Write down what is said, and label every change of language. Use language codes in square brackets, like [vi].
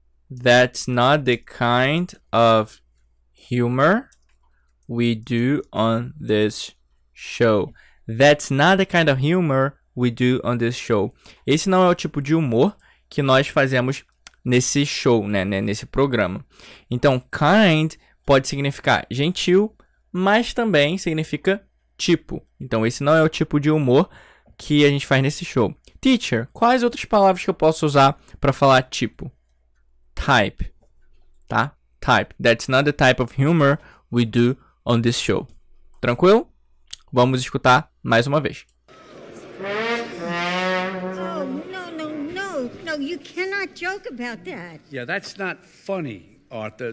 [en] That's not the kind of humor we do on this show. That's not the kind of humor we do on this show. [pt] Esse não é o tipo de humor que nós fazemos nesse show, né? Nesse programa. Então, kind pode significar gentil, mas também significa tipo. Então, esse não é o tipo de humor que a gente faz nesse show. Teacher, quais outras palavras que eu posso usar para falar tipo? Type, tá? Type. [en] That's not the type of humor we do on this show. [pt] Tranquilo? Vamos escutar mais uma vez. [en] No, you cannot joke about that. Yeah, that's not funny, Arthur.